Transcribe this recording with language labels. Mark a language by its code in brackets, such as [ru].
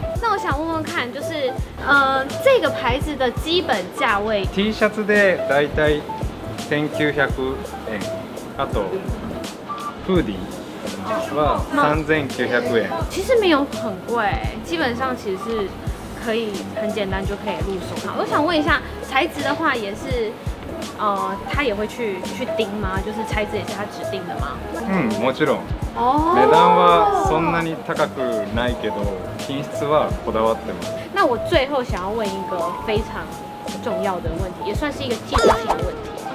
[zh] 那我想问问看，就是这个牌子的基本价位 [ja] ？T シャツでだいたい1900円、あとフーディー。 [zh] 哇，3900元，其实没有很贵，基本上其实是可以很简单就可以入手。好，我想问一下，材质的话也是，他也会去钉吗？就是材质也是他指定的吗？ [ja] もちろん。哦。値段はそんなに高くないけど、品質はこだわってます。 [zh] 那我最后想要问一个非常重要的问题，也算是一个技术性的问题。